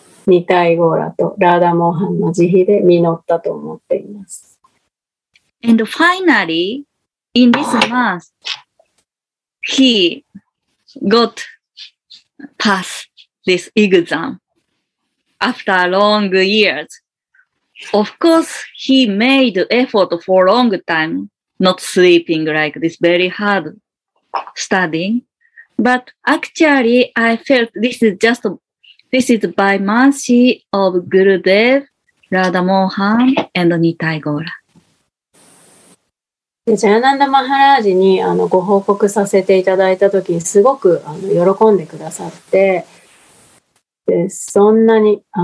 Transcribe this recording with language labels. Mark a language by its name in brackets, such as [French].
[Japanese] ニタイゴーラとラーダモーハンの慈悲で実ったと思っています。 [English] And finally, in this month, he got pass this exam after long years. Of course, he made effort for long time, not sleeping like this very hard studying. But actually, I felt this is justThis is by mercy of Gurudev, Radha Mohan, and Nitai Gora. [Japanese] ジャナンダ・マハラージにご報告させていただいたとき、すごく喜んでくださって、でそんなに